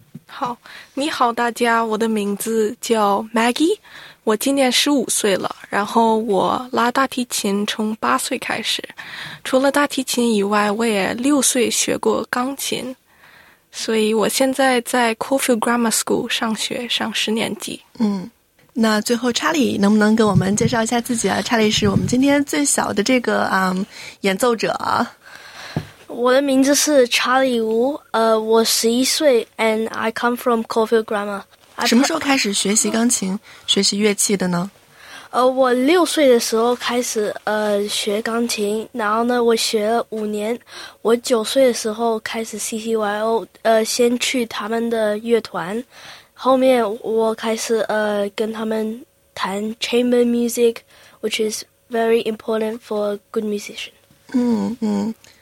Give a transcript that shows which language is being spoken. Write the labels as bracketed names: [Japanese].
[Chinese] 好，你好大家，我的名字叫 Maggie, 我今年15岁了，然后我拉大提琴从8岁开始，除了大提琴以外，我也6岁学过钢琴，所以我现在在 Caulfield Grammar School 上学，上10年级。那最后 Charlie 能不能跟我们介绍一下自己Charlie 是我们今天最小的这个演奏者。我的名字是查理吴，我11岁 ， [English] and I come from Caulfield Grammar。 [Chinese] 什么时候开始学习钢琴、学习乐器的呢？我6岁的时候开始学钢琴，然后呢，我学了5年。我9岁的时候开始 CCYO， 先去他们的乐团，后面我开始跟他们弹 chamber music， [English] which is very important for a good musician。